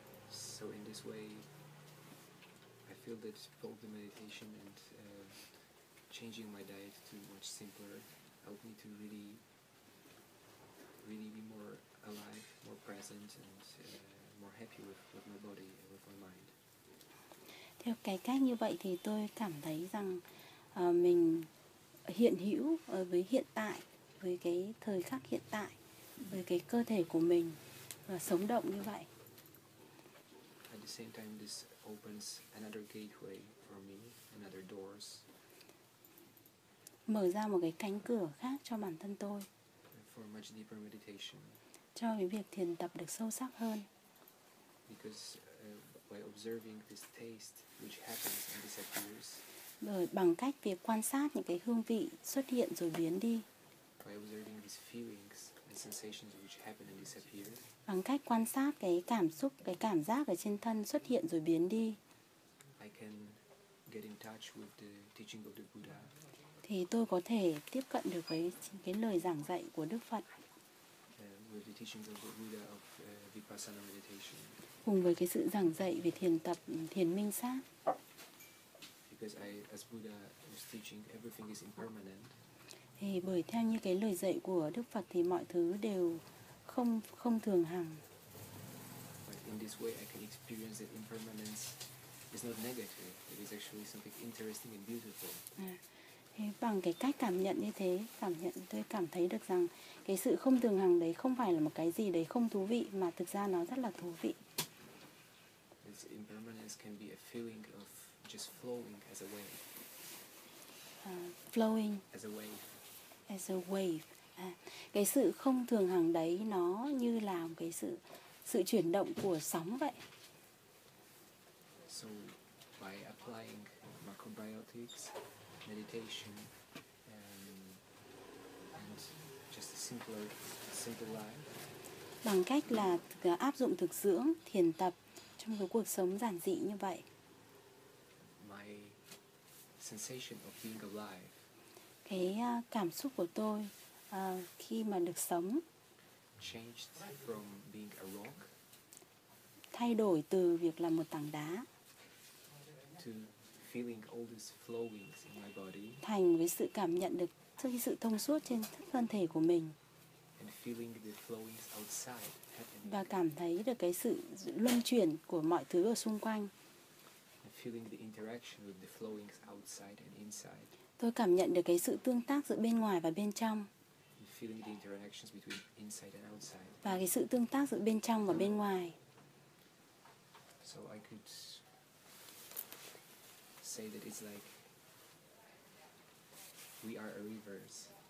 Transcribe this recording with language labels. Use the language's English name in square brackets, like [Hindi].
[English] So in this way I feel that both the meditation and changing my diet to much simpler helped me to really be more alive, more present and more happy with my body and with my mind. [Vietnamese] Theo cái cách như vậy thì tôi cảm thấy rằng mình hiện hữu với hiện tại, với cái thời khắc hiện tại, với cái cơ thể của mình, và sống động như vậy. [English] At the same time, this opens another gateway for me, another doors. [Vietnamese] Mở ra một cái cánh cửa khác cho bản thân tôi. [English] For much deeper meditation. [Vietnamese] Cho cái việc thiền tập được sâu sắc hơn. [English] Because by observing this taste which happens and disappears. [Vietnamese] Rồi bằng cách việc quan sát những cái hương vị xuất hiện rồi biến đi. [English] By observing these feelings and sensations which happen and disappear. [Vietnamese] Bằng cách quan sát cái cảm xúc, cái cảm giác ở trên thân xuất hiện rồi biến đi. [English] I can get in touch with the teaching of the Buddha. [Vietnamese] Thì tôi có thể tiếp cận được với cái lời giảng dạy của Đức Phật. [English] With the teaching of the Buddha of Vipassana meditation. [Vietnamese] Cùng với cái sự giảng dạy về thiền tập, thiền minh sát. [English] Because I, as Buddha was teaching, everything is impermanent. [Vietnamese] Thì bởi theo như cái lời dạy của Đức Phật thì mọi thứ đều không thường hằng. [English] But in this way I can experience that impermanence is not negative. It is actually something interesting and beautiful. [Vietnamese] Thì bằng cái cách cảm nhận như thế, cảm nhận tôi cảm thấy được rằng cái sự không thường hằng đấy không phải là một cái gì đấy không thú vị, mà thực ra nó rất là thú vị. [English] This impermanence can be a feeling of just flowing as a wave. Flowing as a wave. As a wave. [Vietnamese] Cái sự không thường hằng đấy nó như là một cái sự chuyển động của sóng vậy. [English] So by applying macrobiotics, meditation and just a simple life. [Vietnamese] Bằng cách là áp dụng thực dưỡng, thiền tập trong cái cuộc sống giản dị như vậy. [English] My sensation of being alive. [Vietnamese] Cái cảm xúc của tôi khi mà được sống [English] changed from being a rock. [Vietnamese] Thay đổi từ việc là một tảng đá. [English] To feeling all this flowing in my body. [Vietnamese] Thành với sự cảm nhận được sự thông suốt trên thân thể của mình. [English] And feeling the flowing outside. [Vietnamese] Và cảm thấy được cái sự luân chuyển của mọi thứ ở xung quanh. [English] Feeling the interaction with the flowings outside and inside. [Vietnamese] Tôi cảm nhận được cái sự tương tác giữa bên ngoài và bên trong. [English] Feeling the interactions between inside and outside. [Vietnamese] Và cái sự tương tác giữa bên trong và bên ngoài. [English] So I could say that it's like we are a rivers.